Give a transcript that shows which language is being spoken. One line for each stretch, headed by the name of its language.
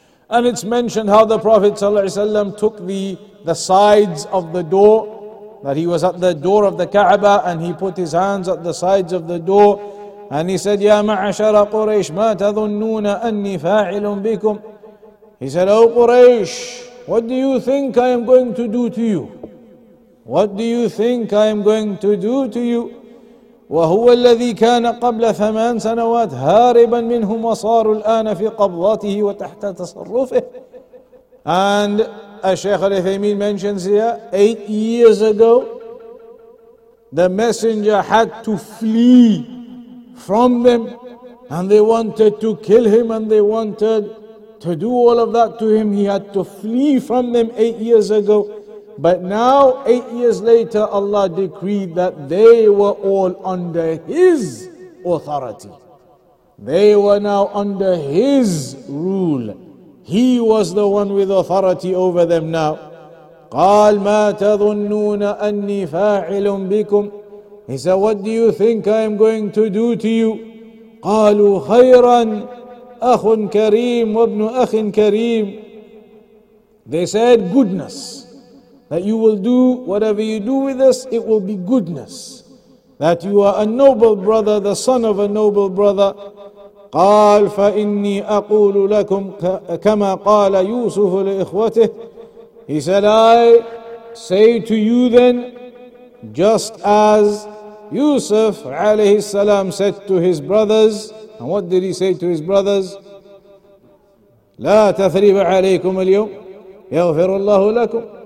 English: And it's mentioned how the Prophet ﷺ took the sides of the door, that he was at the door of the Kaaba and he put his hands at the sides of the door and he said,
Arabic: Ya ma'ashara Quraysh, ma tadhunnuna anni fa'ilun bikum.
English: He said, O Quraysh, what do you think I am going to do to you? What do you think I am going to do to you?
Arabic: وهو الذي كان قبل ثمان سنوات هاربا منهم وصاروا الآن في قبضته وتحت تصرفه.
English: And الشيخ الثيمين mentions here, 8 years ago, the messenger had to flee from them and they wanted to kill him and they wanted to do all of that to him. He had to flee from them 8 years ago. But now, 8 years later, Allah decreed that they were all under His authority. They were now under His rule. He was the one with authority over them now.
Arabic: قال ما تظنون أني فاعل بكم.
English: He said, what do you think I am going to do to you?
Arabic: قالوا خيرا أخ كريم وابن أخ كريم.
English: They said, goodness. That you will do whatever you do with us, it will be goodness. That you are a noble brother, the son of a noble brother.
Arabic: قال فإني أقول لكم كما قال يوسف لإخوته.
English: He said, I say to you then, just as Yusuf عليه السلام said to his brothers. And what did he say to his brothers?
Arabic: لا تثريب عليكم اليوم يغفر الله لكم.